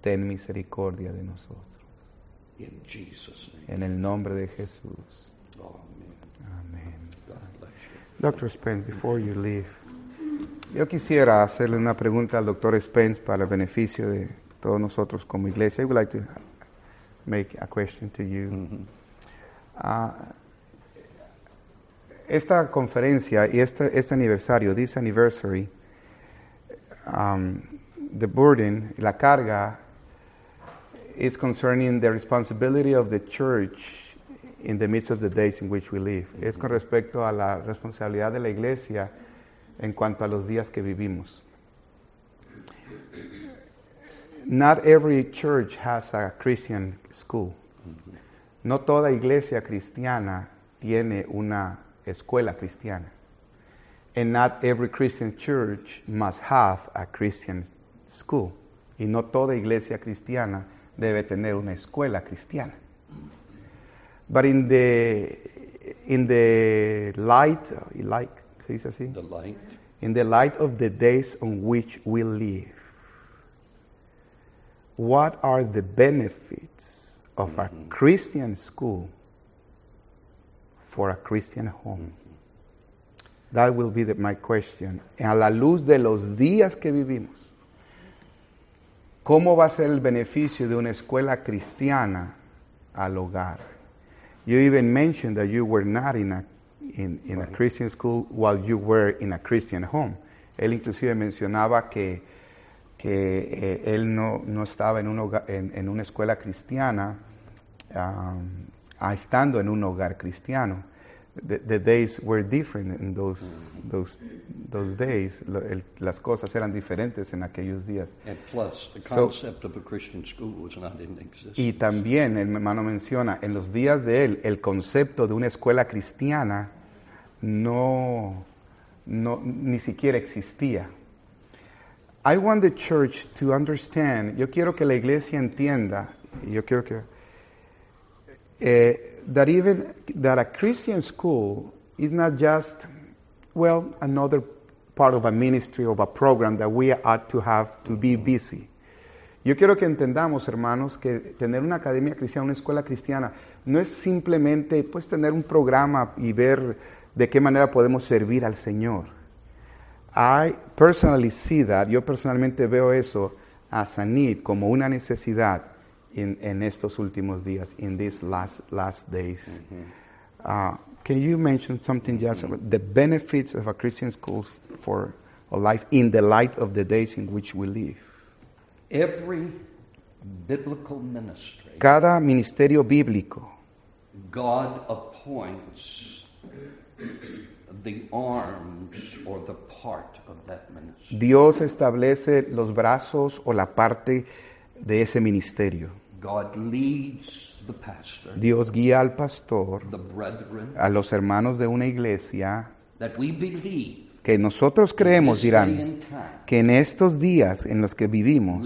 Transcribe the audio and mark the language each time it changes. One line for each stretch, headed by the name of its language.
Spanish: Ten misericordia de nosotros.
English: In Jesus' name.
Spanish: En el nombre de Jesús. Amén. Dr. Spence,
English: before you leave,
Spanish: yo quisiera hacerle una pregunta al Dr. Spence para el beneficio de todos nosotros como iglesia.
English: I would like to make a question to you. Mm-hmm.
Spanish: Esta conferencia y este aniversario,
English: this anniversary, the burden,
Spanish: la carga,
English: it's concerning the responsibility of the church in the midst of the days in which we live. Mm-hmm.
Spanish: Es con respecto a la responsabilidad de la iglesia en cuanto a los días que vivimos.
English: Not every church has a Christian school. Mm-hmm.
Spanish: No toda iglesia cristiana tiene una escuela cristiana.
English: And not every Christian church must have a Christian school.
Spanish: Y no toda iglesia cristiana debe tener una escuela cristiana.
English: But in the light, like,
Spanish: ¿se dice así?
English: The light. In the light of the days on which we live, what are the benefits of mm-hmm. a Christian school for a Christian home? Mm-hmm. That will be my question.
Spanish: A la luz de los días que vivimos, ¿cómo va a ser el beneficio de una escuela cristiana al hogar?
English: You even mentioned that you were not in a Christian school while you were in a Christian home.
Spanish: Él inclusive mencionaba que él no estaba en un hogar, en una escuela cristiana estando en un hogar cristiano.
English: The days were different in those days.
Spanish: Las cosas eran diferentes en aquellos días.
English: And plus, the concept of a Christian school was not in existence.
Spanish: Y también, el hermano menciona, en los días de él, el concepto de una escuela cristiana no ni siquiera existía.
English: I want the church to understand,
Spanish: yo quiero que la iglesia entienda, yo quiero que...
English: That a Christian school is not just, well, another part of a ministry of a program that we ought to have to be busy.
Spanish: Yo quiero que entendamos, hermanos, que tener una academia cristiana, una escuela cristiana, no es simplemente pues tener un programa y ver de qué manera podemos servir al Señor.
English: I personally see that,
Spanish: yo personalmente veo eso
English: as a need,
Spanish: como una necesidad.
English: In
Spanish: estos últimos días,
English: in these last days. Mm-hmm. Can you mention something just about the benefits of a Christian school for a life in the light of the days in which we live? Every biblical ministry.
Spanish: Cada ministerio bíblico.
English: God appoints the arms or the part of that ministry.
Spanish: Dios establece los brazos o la parte de ese ministerio.
English: God leads the pastor.
Spanish: Dios guía al pastor.
English: The brethren.
Spanish: A los hermanos de una iglesia.
English: That we believe.
Spanish: Que nosotros creemos, dirán, que en estos días en los que vivimos,